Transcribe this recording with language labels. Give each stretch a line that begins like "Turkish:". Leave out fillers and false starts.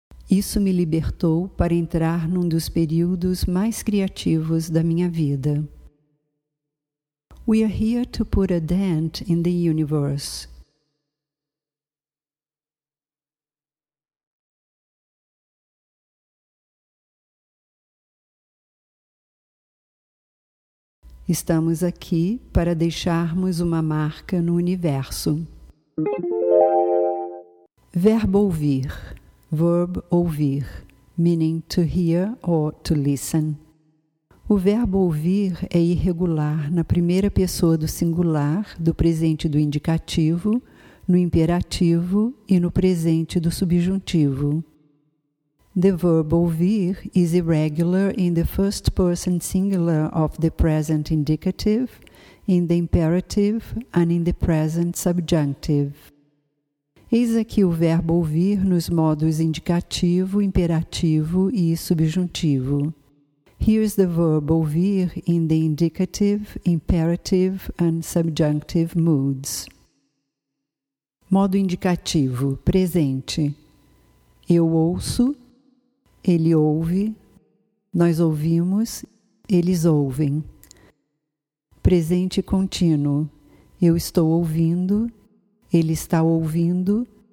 Portuguese: Isso me libertou para entrar num dos períodos mais criativos da minha vida.
English: We are here to put a dent in the universe.
Portuguese: Estamos aqui para deixarmos uma marca no universo. Verbo ouvir.
English: Verb ouvir, meaning to hear or to listen.
Portuguese: O verbo ouvir é irregular na primeira pessoa do singular, do presente do indicativo, no imperativo e no presente do subjuntivo.
English: The verb ouvir is irregular in the first person singular of the present indicative, in the imperative and in the present subjunctive.
Portuguese: Eis aqui o verbo ouvir nos modos indicativo, imperativo e subjuntivo.
English: Here's the verb ouvir in the indicative, imperative and subjunctive moods.
Portuguese: Modo indicativo, presente. Eu ouço, ele ouve, nós ouvimos, eles ouvem. Presente contínuo. Eu estou ouvindo, ele está ouvindo.